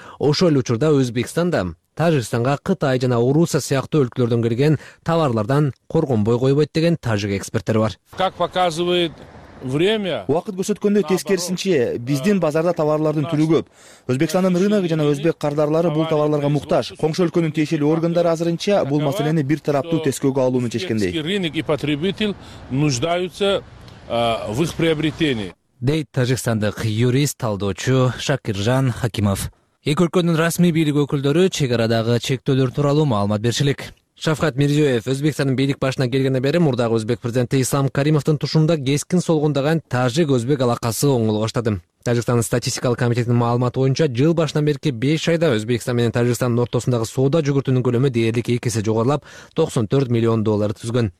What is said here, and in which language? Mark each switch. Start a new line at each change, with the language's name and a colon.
Kyrgyz: Ошол эле учурда Өзбекстан да Тажикстанга Кытай жана Орусия сыяктуу өлкөлөрдөн келген товарлардан коргонбой койбойт деген тажик эксперттер бар.
Russian: Как показывает время,
Kyrgyz: убакыт көрсөткөндөй тескерисинче биздин базарда товарлардын түрү көп. Өзбекстандын рыногу жана өзбек кардарлары бул товарларга муктаж. Коңшу өлкөнүн тиешелүү органдары азырынча бул маселени бир тараптуу тескөөгө алууну чечкендей.
Russian: Рынок и потребитель нуждаются в их приобретении.
Kyrgyz: Дейт тажикстандык юрист талдоочу Шакиржан Хакимов. Эки өлкөнүн расмий бийлик өкүлдөрү чек арадагы чектөөлөр тууралуу маалымат берчү элек. Шавкат Мирзиёев Өзбекстандын бийлик башына келгенден бери мурдагы өзбек президенти Ислам Каримовдун тушунда кескин солгундаган тажик өзбек алакасы оңоло баштады. Тажикстандын статистикалык комитетинин маалыматы боюнча жыл башынан берки 5 айда Өзбекстан менен Тажикстандын ортосундагы соода жүгүртүүнүн көлөмү дээрлик эки эсе жогорулап 94 миллион долларды түзгөн.